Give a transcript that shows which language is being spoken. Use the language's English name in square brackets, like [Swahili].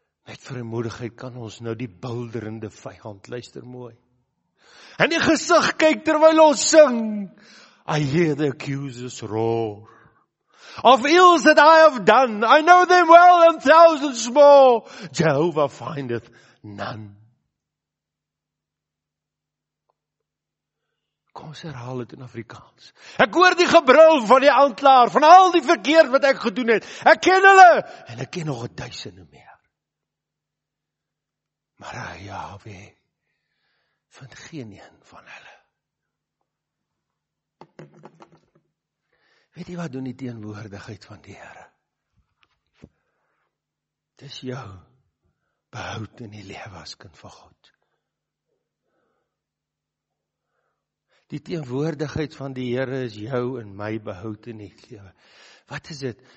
[Afrikaans] Met vrymoedigheid kan ons nou die bulderende vyand, luister mooi, en die gezicht kyk terwyl ons sing, [English] I hear the accusers roar, of ills that I have done, I know them well and thousands more, Jehovah findeth none. [Afrikaans] Kom, sê herhaal het in Afrikaans. Ek hoor die gebrul van die aanklaer, van al die verkeerd wat ek gedoen het. Ek ken hulle, en ek ken nog 1000 meer. Maar Jahweh vind geen een van hulle. Weet jy wat doen die teenwoordigheid van die Here? Het is jou behoud in die lewe as kind van God. Die teenwoordigheid van die Here is jou en my behoud in die lewe. Wat is dit?